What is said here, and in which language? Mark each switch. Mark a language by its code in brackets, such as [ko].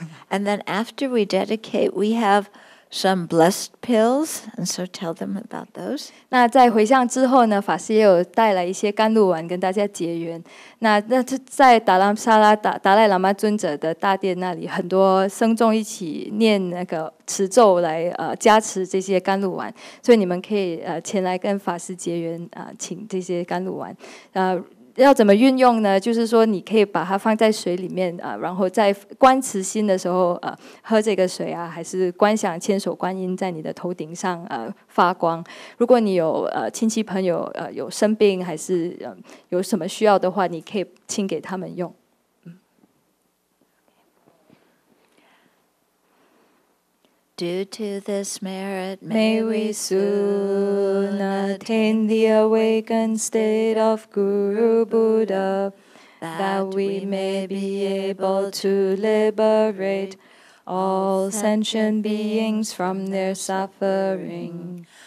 [en] And then after we dedicate we have some blessed pills and so tell them about those [zh] 那在回向之后呢法师也有带来一些甘露丸跟大家结缘那在达拉沙拉达赖喇嘛尊者的大殿那里很多僧众一起念那个持咒来加持这些甘露丸所以你们可以前来跟法师结缘请这些甘露丸要怎么运用呢？就是说你可以把它放在水里面啊，然后在观慈心的时候啊，喝这个水啊，还是观想千手观音在你的头顶上啊发光。如果你有亲戚朋友有生病还是有什么需要的话，你可以请给他们用。 [en] Due to this merit, may we soon attain the awakened state of Guru Buddha, that we may be able to liberate all sentient beings from their suffering.